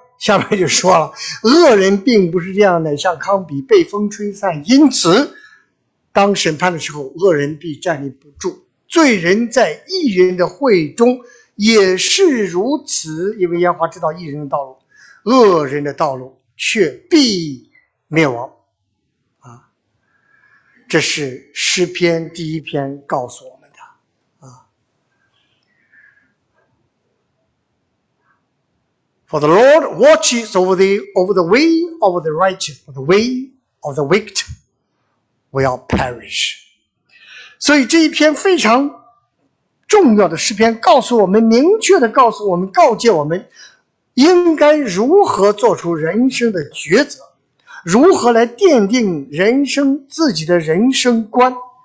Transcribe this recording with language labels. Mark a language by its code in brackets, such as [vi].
[zh] 下面就说了，恶人并不是这样的，像糠秕被风吹散，因此当审判的时候，恶人必站立不住，罪人在义人的会中也是如此，因为耶和华知道义人的道路，恶人的道路却必灭亡。啊，这是诗篇第一篇告诉我们的。 [en] 啊，For the Lord watches over the way of the righteous, but the way of the wicked will perish. [zh] 所以这一篇非常重要的诗篇告诉我们，明确地告诉我们，告诫我们应该如何做出人生的抉择，如何来奠定人生自己的人生观。